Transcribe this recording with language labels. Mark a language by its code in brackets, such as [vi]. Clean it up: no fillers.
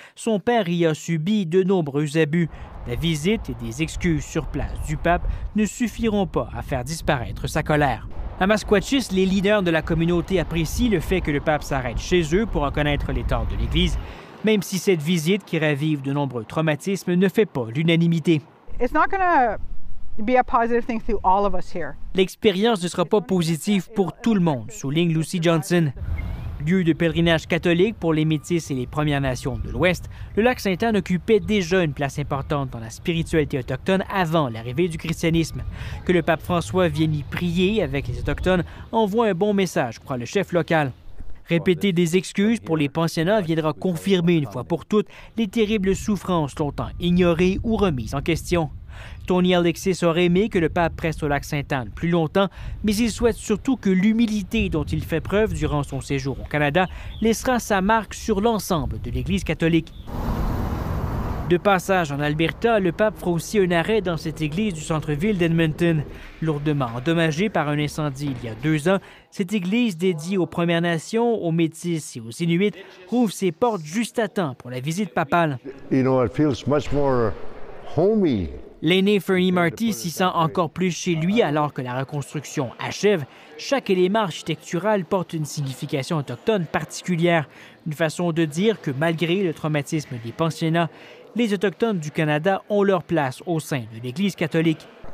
[fr] Son père y a subi de nombreux abus. La visite et des excuses sur place du pape ne suffiront pas à faire disparaître sa colère. À Masquatchis, les leaders de la communauté apprécient le fait que le pape s'arrête chez eux pour reconnaître les torts de l'Église, même si cette visite, qui ravive de nombreux traumatismes, ne fait pas l'unanimité. [en] It's not gonna be a positive thing through all of us here. [fr] L'expérience ne sera pas positive pour tout le monde, souligne Lucy Johnson. Lieu de pèlerinage catholique pour les Métis et les Premières Nations de l'Ouest, le lac Saint-Anne occupait déjà une place importante dans la spiritualité autochtone avant l'arrivée du christianisme. Que le pape François vienne y prier avec les Autochtones envoie un bon message, croit le chef local. Répéter des excuses pour les pensionnats viendra confirmer une fois pour toutes les terribles souffrances longtemps ignorées ou remises en question. Tony Alexis aurait aimé que le pape reste au lac Sainte-Anne plus longtemps, mais il souhaite surtout que l'humilité dont il fait preuve durant son séjour au Canada laissera sa marque sur l'ensemble de l'Église catholique. De passage en Alberta, le pape fera aussi un arrêt dans cette église du centre-ville d'Edmonton. Lourdement endommagée par un incendie il y a 2 ans, cette église dédiée aux Premières Nations, aux Métis et aux Inuits rouvre ses portes juste à temps pour la visite papale. [en] You know, it feels much more homey. [fr] L'aîné Fernie Marty s'y sent encore plus chez lui alors que la reconstruction achève. Chaque élément architectural porte une signification autochtone particulière. Une façon de dire que malgré le traumatisme des pensionnats, les Autochtones du Canada ont leur place au sein de l'Église catholique.